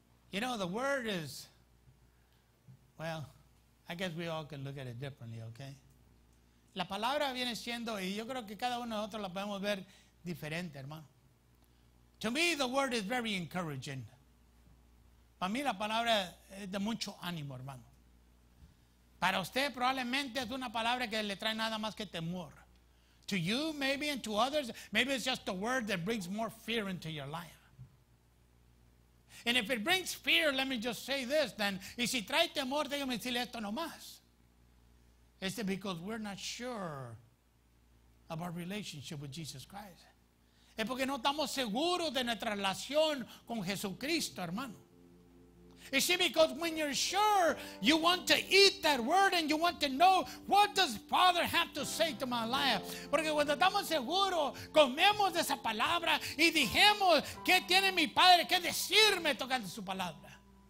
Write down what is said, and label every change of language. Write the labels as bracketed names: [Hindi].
[English] You know, the word is, well, I guess we all can look at it differently, okay? [Spanish] La palabra viene siendo, y yo creo que cada uno de nosotros la podemos ver diferente, hermano. [English] To me, the word is very encouraging. [Spanish] Para mí, la palabra es de mucho ánimo, hermano. Para usted, probablemente es una palabra que le trae nada más que temor. [English] To you, maybe, and to others, maybe it's just a word that brings more fear into your life. And if it brings fear, let me just say this, then, [Spanish] y si trae temor, déjame decirle esto nomás. [English] It's because we're not sure of our relationship with Jesus Christ. [Spanish] Es porque no estamos seguros de nuestra relación con Jesucristo, hermano. [English] It's because when you're sure, you want to eat that word and you want to know, what does Father have to say to my life? [Spanish] Porque cuando estamos seguros, comemos de esa palabra y dijimos, ¿qué tiene mi Padre que decirme tocando su palabra?